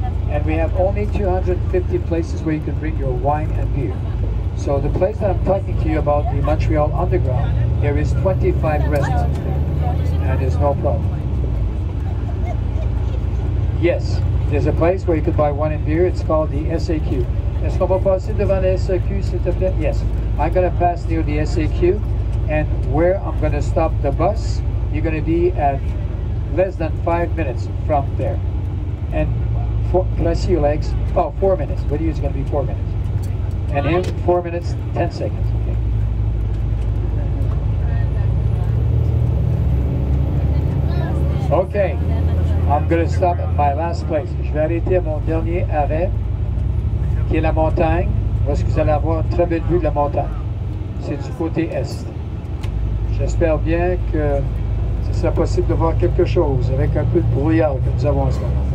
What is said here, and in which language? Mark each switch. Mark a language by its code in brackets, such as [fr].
[en] And we have only 250 places where you can drink your wine and beer. So the place that I'm talking to you about, the Montreal Underground, there is 25 restaurants there, and there's no problem. Yes, there's a place where you could buy wine and beer. It's called the SAQ. [fr] Est-ce qu'on va passer devant la SAQ, s'il te plaît? [en] Yes, I'm going to pass near the SAQ, and where I'm going to stop the bus, you're going to be at less than 5 minutes from there. And can I see your legs? Oh, 4 minutes. What do you think is going to be 4 minutes? And him, 4 minutes, 10 seconds. Okay. Okay. I'm going to stop at my last place. [fr] Je vais arrêter à mon dernier arrêt, qui est la montagne, parce que vous allez avoir une très belle vue de la montagne. C'est du côté est. J'espère bien que ce sera possible de voir quelque chose avec un peu de brouillard que nous avons en ce moment.